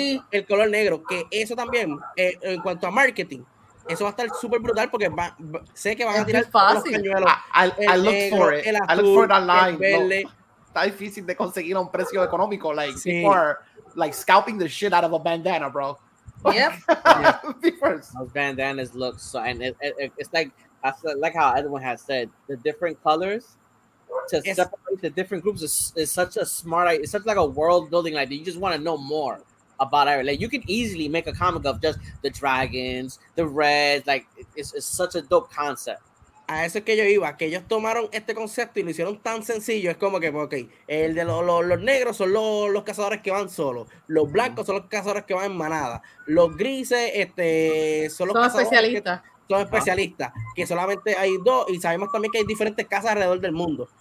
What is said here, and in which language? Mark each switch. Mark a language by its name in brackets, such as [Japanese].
[Spanish] El color negro, que eso también, en cuanto a marketing, eso va a estar súper brutal, porque sé que van a tirar fácil. Los pañuelos. [English] I look for it online. [Spanish] Está difícil de conseguir a un precio económico. [English] People are like scalping the shit out of a bandana, bro. Yep. Those bandanas look so, and it's like I feel like how everyone has said, the different colors separate the different groups is such a smart idea. It's such like a world building idea. You just want to know more about everything. Like, you can easily make a comic of just the dragons, the reds. Like, it's such a dope concept. [Spanish] A eso es que yo iba, que ellos tomaron este concepto y lo hicieron tan sencillo. Es como que, ok, el de los negros son los cazadores que van solos. Los blancos son los cazadores que van en manada. Los grises son especialistas. Son especialistas, que solamente hay dos, y sabemos también que hay diferentes casas alrededor del mundo.